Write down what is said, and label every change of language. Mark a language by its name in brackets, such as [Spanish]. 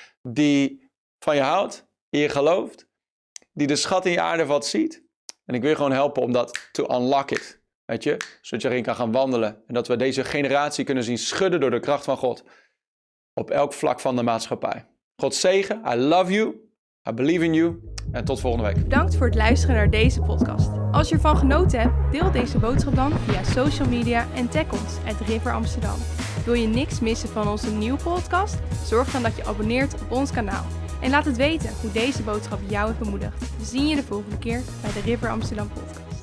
[Dutch] Die van je houdt. Die je gelooft. Die de schat in je aarde wat ziet. En ik wil je gewoon helpen om dat [English] to unlock it. [Dutch] Weet je, zodat je erin kan gaan wandelen. En dat we deze generatie kunnen zien schudden door de kracht van God. Op elk vlak van de maatschappij. God zegen, [English] I love you, I believe in you. [Dutch] En tot volgende week. Bedankt voor het luisteren naar deze podcast. Als je ervan genoten hebt, deel deze boodschap dan via social media en tag ons @RiverAmsterdam. Wil je niks missen van onze nieuwe podcast? Zorg dan dat je abonneert op ons kanaal. En laat het weten hoe deze boodschap jou heeft bemoedigd. We zien je de volgende keer bij de River Amsterdam podcast.